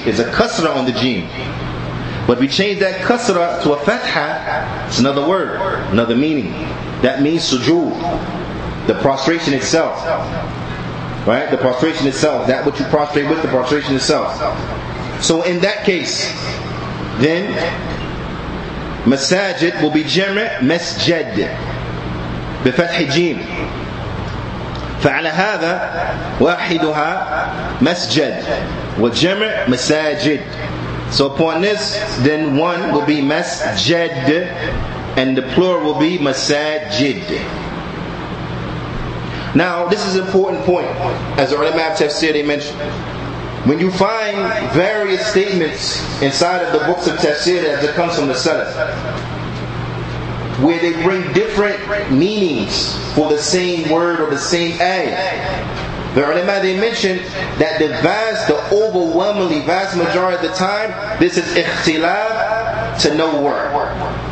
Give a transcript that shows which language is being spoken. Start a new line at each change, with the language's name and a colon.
English: It's a kasra on the jim. But we change that kasra to a fatha, it's another word, another meaning. That means sujood. The prostration itself. Right? The prostration itself. That which you prostrate with, the prostration itself. So in that case, then masajid will be jam' masjid.
Arabic: بفتح جيم فعلى هذا واحدها مسجد وجمع مساجد.
English: So upon this, then one will be مسجد and the plural will be مساجد. Now this is an important point. As the ulama of tafsir, they mentioned, when you find various statements inside of the books of tafsir as it comes from the Salaf, where they bring different meanings for the same word or the same ayah, the ulama, they mention that the overwhelmingly vast majority of the time, this is ikhtilaf to no word.